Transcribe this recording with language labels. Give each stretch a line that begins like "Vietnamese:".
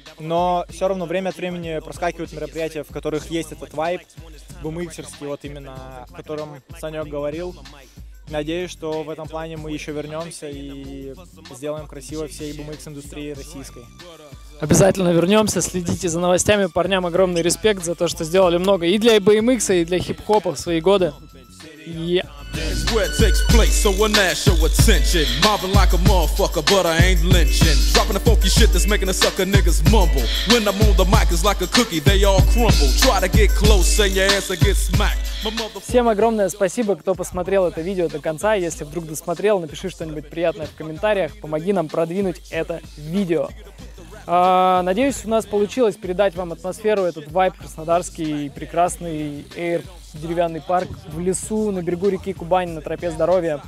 Russian: Но все равно время от времени проскакивают мероприятия, в которых есть этот вайб, бумиксерский, вот именно, о котором Санек говорил. Надеюсь, что в этом плане мы еще вернемся и сделаем красиво всей бумикс-индустрии российской. Обязательно вернемся, следите за новостями. Парням огромный респект за то, что сделали много и для BMX, и для хип-хопа в свои годы.
English: Yeah. Where it takes place, so I now show attention. Mobbing like a motherfucker, but I ain't lynching. Dropping the funky shit that's making the sucker niggas mumble. When I'm on the mic, it's like a cookie, they all crumble. Try to get close, and your ass will get smacked.
Russian: Всем огромное спасибо, кто посмотрел это видео до конца. Если вдруг досмотрел, напиши что-нибудь приятное в комментариях. Помоги нам продвинуть это видео. Надеюсь, у нас получилось передать вам атмосферу, этот вайб краснодарский, прекрасный эйр. Деревянный парк в лесу, на берегу реки Кубань, на тропе здоровья.